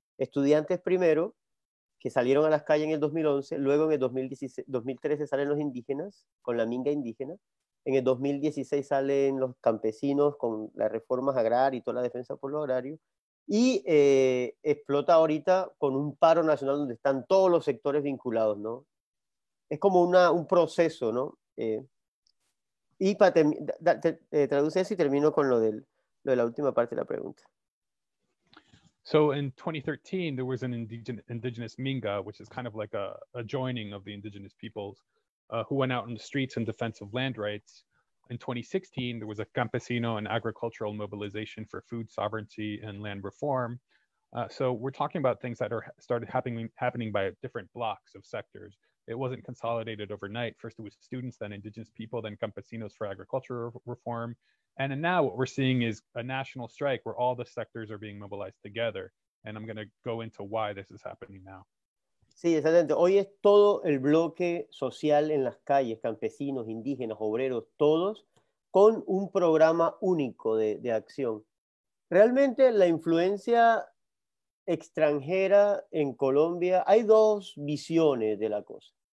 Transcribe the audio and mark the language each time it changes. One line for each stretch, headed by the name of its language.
Spanish: Estudiantes primero, que salieron a las calles en el 2011, luego en el 2013 salen los indígenas con la minga indígena, en el 2016 salen los campesinos con las reformas agrarias y toda la defensa por lo agrario, y explota ahorita con un paro nacional donde están todos los sectores vinculados, ¿no? Es como un proceso, ¿no? Traduce eso y termino con lo de la última parte de la pregunta.
English: So in 2013, there was an indigenous Minga, which is kind of like a joining of the indigenous peoples, who went out in the streets in defense of land rights. In 2016, there was a campesino and agricultural mobilization for food sovereignty and land reform. So we're talking about things that started happening by different blocks of sectors. It wasn't consolidated overnight. First, it was students, then indigenous people, then campesinos for agricultural reform. And now what we're seeing is a national strike where all the sectors are being mobilized together. And I'm going to go into why this is happening now.
Spanish: Sí, exactamente. Hoy es todo el bloque social en las calles, campesinos, indígenas, obreros, todos, con un programa único de acción. Realmente la influencia extranjera en Colombia, hay dos visiones de la cosa.